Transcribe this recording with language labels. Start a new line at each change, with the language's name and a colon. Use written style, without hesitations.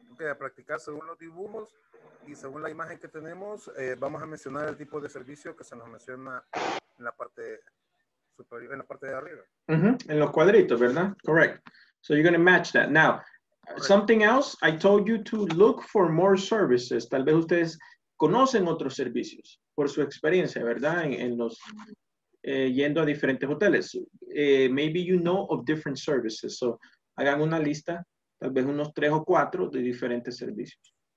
Spanish: A practicar según los dibujos y según la imagen que tenemos, vamos a mencionar el tipo de servicio que se nos menciona en la parte superior, en la parte de arriba. En los cuadritos, ¿verdad?
English: Correct. So you're going to match that. Now, correct. Something else, I told you to look for more services.
Spanish: Tal vez ustedes conocen otros servicios por su experiencia, ¿verdad? Yendo a diferentes hoteles.
English: Maybe you know of different services.
Spanish: So, hagan una lista, tal vez unos 3 o 4 de diferentes servicios.